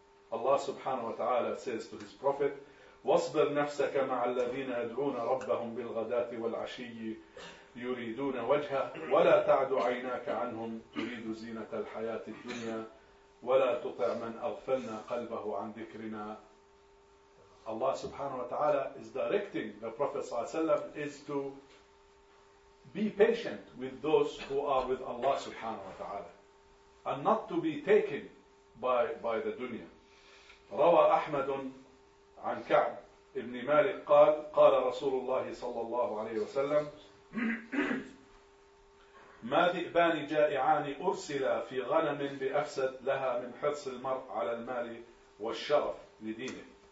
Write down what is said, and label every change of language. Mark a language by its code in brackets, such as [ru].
[en] Allah subhanahu wa ta'ala says to his Prophet, [ar] وَاصْبِرْ نَفْسَكَ مَعَ الَّذِينَ يَدْعُونَ رَبَّهُمْ بِالْغَدَاةِ وَالْعَشِيِّ يُرِيدُونَ وَجْهَهُ وَلَا تَعْدُ عَيْنَاكَ عَنْهُمْ تُرِيدُ زِينَةَ الْحَيَاةِ الدُّنْيَا وَلَا تُطِعْ مَنْ أَغْفَلْنَا قَلْبَهُ عَنْ ذِكْرِنَا. [en] Allah subhanahu wa ta'ala is directing the Prophet sallallahu alayhi wa sallam is to be patient with those who are with Allah subhanahu wa ta'ala and not to be taken by the dunya. [ar] Rawa Ahmadun عن كعب ابن مالك قال قال رسول الله صلى الله عليه وسلم ما ذئبان جائعان أرسلا في غنم بأفسد لها من حرص المرء على المال والشرف لدينه.